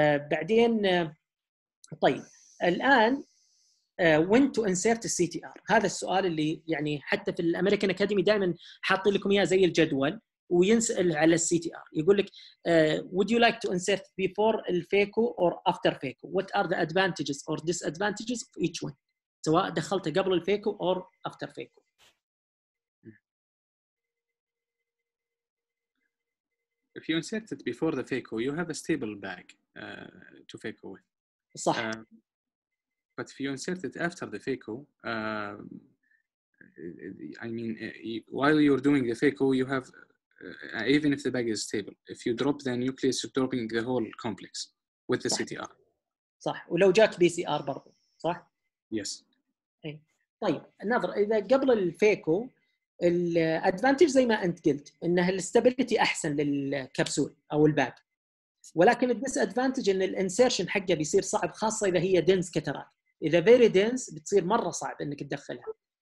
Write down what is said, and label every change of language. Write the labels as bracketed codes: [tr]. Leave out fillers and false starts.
[ar] بعدين طيب الان [en] when to insert the CTR، [ar] هذا السؤال اللي يعني حتى في الامريكان اكاديمي دائما حاطين لكم اياه زي الجدول وينسال على السي تي ار، يقول لك [en] would you like to insert before [ar] الفيكو [en] or after [ar] فيكو، [en] what are the advantages or disadvantages of each one، [ar] سواء دخلته قبل الفيكو or after فيكو. [en] If you insert it before the FACO, you have a stable bag to FACO with. [ar] صح. [en] But if you insert it after the FACO, I mean, while you're doing the FACO, you have, even if the bag is stable, if you drop the nucleus, you're dropping the whole complex with the [ar] صح. [en] CTR. [ar] صح. ولو جات PCR برضو. صح؟ [en] Yes. [ar] طيب، نظر، إذا قبل الفيكو الادفانتج زي ما انت قلت انها الاستابيليتي احسن للكبسول او الباب، ولكن الديس ادفانتج ان الانسرشن حقه بيصير صعب، خاصه اذا هي دنس كاتراك، اذا فيري دنس بتصير مره صعب انك تدخلها.